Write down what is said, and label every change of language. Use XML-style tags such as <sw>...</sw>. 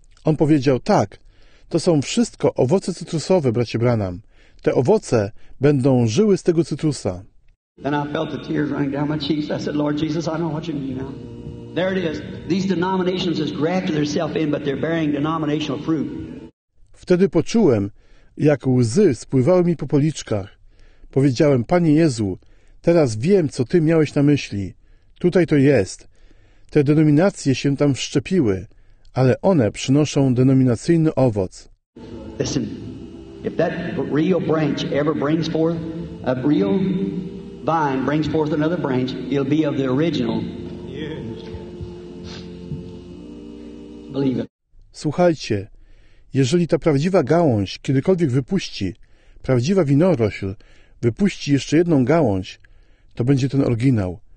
<pl>On powiedział, tak, to są wszystko owoce cytrusowe, bracie Branham. Te owoce będą żyły z tego cytrusa.</pl> <en>And I felt the tears running down my cheeks. I said, Lord Jesus, I know what you mean now. There it is. These denominations have grafted themselves in, but they're bearing denominational fruit.</en> <pl>Wtedy poczułem, jak łzy spływały mi po policzkach. Powiedziałem, Panie Jezu, teraz wiem, co ty miałeś na myśli. Tutaj to jest. Te denominacje się tam wszczepiły, ale one przynoszą denominacyjny owoc.</pl> <en>Listen, if that real branch ever brings forth, a real vine brings forth another branch, it'll be of the original. Believe it.</en> <pl>Słuchajcie, jeżeli ta prawdziwa gałąź kiedykolwiek wypuści, prawdziwa winorośl wypuści jeszcze jedną gałąź, to będzie ten oryginał.</pl>